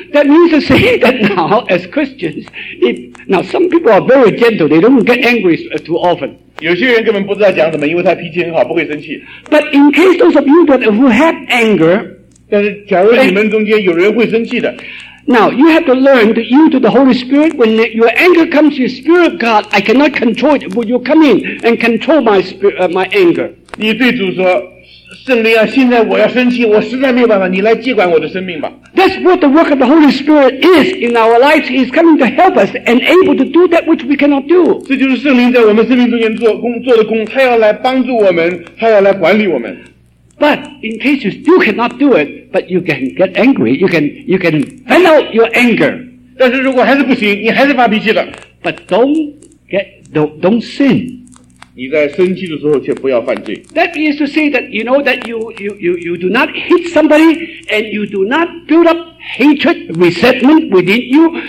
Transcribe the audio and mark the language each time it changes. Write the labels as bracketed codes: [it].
[en] That means to say that now as Christians if. Now, some people are very gentle. They don't get angry too often. [zh] 有些人根本不知道讲什么，因为他脾气很好，不会生气。 [en] But in case those of you that who have anger, [zh] 但是假如你们中间有人会生气的。 [en] Now, you have to learn to yield to the Holy Spirit. When your anger comes to your spirit, God, I cannot control it. Will you come in and control my spirit, my anger? [zh] 你对主说，圣灵啊，现在我要生气，我实在没有办法，你来接管我的生命吧。 [en] That's what the work of the Holy Spirit is in our lives. He's coming to help us and able to do that which we cannot do. [zh] 这就是圣灵在我们生命中间做的工，他要来帮助我们，他要来管理我们。 [en] But in case you still cannot do it, but you can get angry, you can vent out your anger. [zh] 但是如果还是不行，你还是发脾气了。 [en] But don't sin. [zh] 你在生气的时候却不要犯罪。 [en] That means to say that you know that you do not hit somebody and you do not build up hatred, resentment within you.